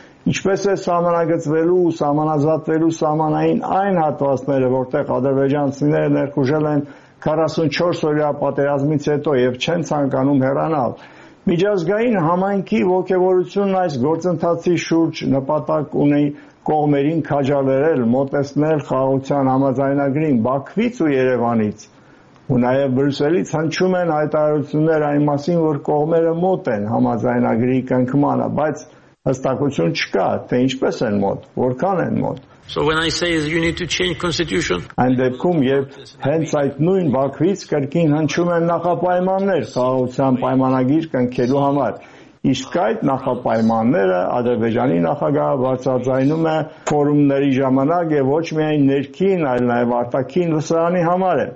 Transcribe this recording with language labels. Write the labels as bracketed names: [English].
[Armenian] ինչպես է սահմանագծվելու ու սահմանազատվելու սահմանային այն հատվածները, որտեղ ադրբեջանցիները ներխուժել են 44-օրյա պատերազմից հետո և չեն ցանկանում հեռանալ։ Միջազգային համայնքի ոգևորությունն այս գործընթացի շուրջ նպատակ ունի կողմերին քաջալերել, մոտեցնել խաղաղության համաձայնագրին Բաքվից ու Երևանից, ու նաև Բրյուսելից հնչում են հայտարարություններ այն մասին, որ կողմերը մոտ են համաձայնագրի կնքմանը, բայց հստակություն չկա, թե ինչպես են մոտ, որքան են մոտ։ [English] So when I say you need to change constitution, [Armenian] այն դեպքում, երբ հենց այդ նույն Բաքվից կրկին հնչում են նախապայմաններ խաղաղության պայմանագիր կնքելու համար, իսկ այդ նախապայմանները Ադրբեջանի նախագահը բարձրաձայնում է ֆորումների ժամանակ և ոչ միայն ներքին, այլ նաև արտաքին լսարանի համար է։